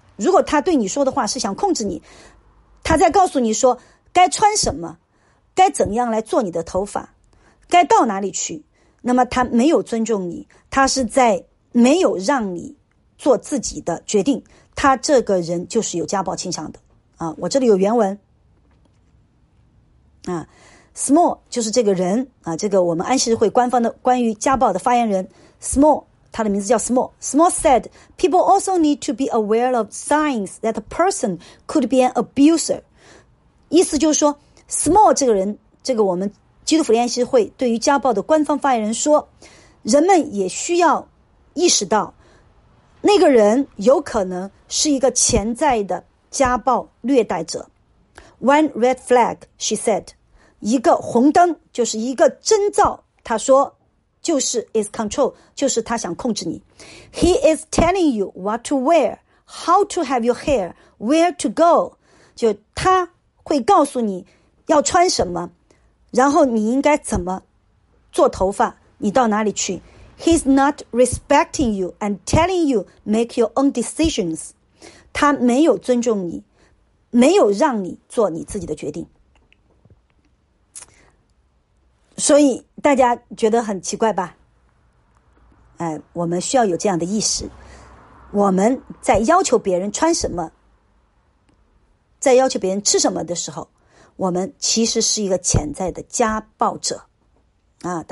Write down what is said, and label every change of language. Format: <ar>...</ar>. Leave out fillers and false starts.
<zh>如果他对你说的话是想控制你，他在告诉你说该穿什么，该怎样来做你的头发，该到哪里去，那么他没有尊重你，他是在没有让你做自己的决定，他这个人就是有家暴倾向的。我这里有原文。 Small 就是这个人，这个我们安息日会官方的关于家暴的发言人 Small。他的名字叫 Small.</zh> <en>Small said, "People also need to be aware of signs that a person could be an abuser."</en> <zh>意思就是说 ，Small 这个人，这个我们基督福音安息会对于家暴的官方发言人说，人们也需要意识到，那个人有可能是一个潜在的家暴虐待者。</zh> <en>One red flag, she said,</en> <zh>一个红灯就是一个征兆。他说。就是</zh> <en>is control,</en> <zh>就是他想控制你。</zh> <en>He is telling you what to wear, how to have your hair, where to go.</en> <zh>就他会告诉你要穿什么，然后你应该怎么做头发，你到哪里去。</zh> <en>He's not respecting you and telling you make your own decisions.</en> <zh>他没有尊重你，没有让你做你自己的决定。所以大家觉得很奇怪吧？我们需要有这样的意识，我们在要求别人穿什么，在要求别人吃什么的时候，我们其实是一个潜在的家暴者啊！</zh>